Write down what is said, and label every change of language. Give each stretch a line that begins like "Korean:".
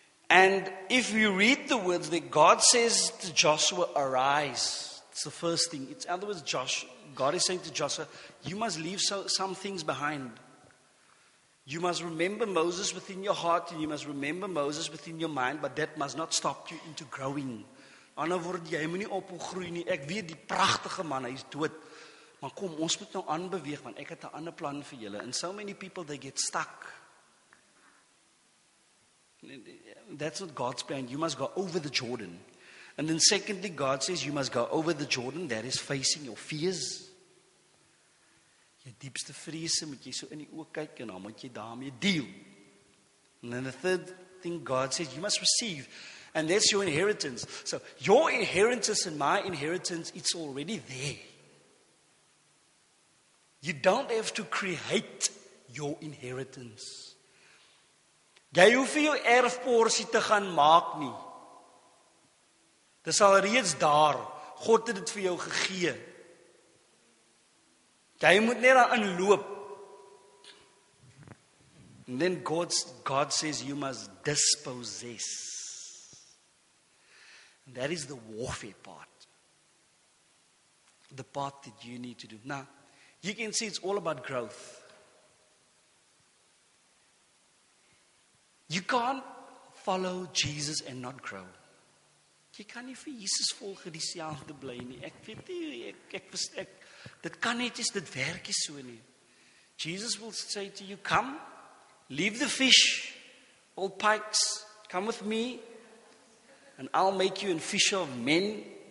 English: And if you read the words that God says to Joshua, arise. It's the first thing. It's, in other words, God is saying to Joshua, you must leave some things behind. You must remember Moses within your heart, and you must remember Moses within your mind, but that must not stop you into growing.
Afrikaans: Ek weet die pragtige man, hy is dood. Maar kom, ons moet nou aanbeweeg, want ek het 'n ander plan vir julle.
English: And so many people, they get stuck. That's not God's plan. You must go over the Jordan. And then secondly, God says you must go over the Jordan. That is facing your fears.
Afrikaans: Your diepste vrese moet jy so in die oog kyk en dan moet jy daarmee deal.
English: And then the third thing God says, you must receive. And that's your inheritance. So your inheritance and my inheritance, it's already there. You don't have to create your inheritance.
Afrikaans: Jy hoef jou erfporsie te gaan maak nie. Dit is al reeds daar. God het dit vir jou gegee. Jy moet net daarin loop.
English: And then God says you must dispossess. And that is the warfare part. The part that you need to do. Now, you can see it's all about growth. You can't follow Jesus and not grow.
Afrikaans: Jy kan nie vir Jesus volg en dieselfde bly nie. Ek weet nie, ek dit kan net is dit werk is so nie.
English: Jesus will say to you, come, leave the fish, all pikes, come with me, and I'll make you a fisher of men.